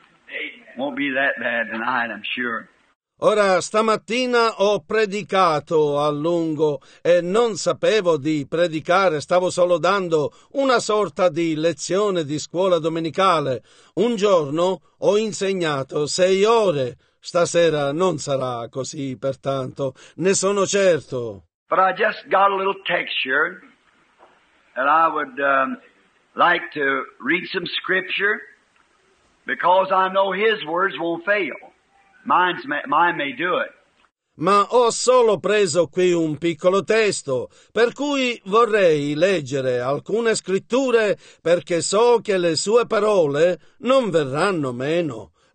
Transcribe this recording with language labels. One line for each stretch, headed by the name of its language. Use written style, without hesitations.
English: It won't be that bad tonight, I'm sure.
Italian: Ora, stamattina ho predicato a lungo e non sapevo di predicare, stavo solo dando una sorta di lezione di scuola domenicale. Un giorno ho insegnato 6 ore. Stasera non sarà così, pertanto, ne sono certo.
English: But I just got a little text here, and I would like to read some scripture, because I know his words won't fail. Mine may do it.
Italian: Ma ho solo preso qui un piccolo testo, per cui vorrei leggere alcune scritture, perché so che le sue parole non verranno meno.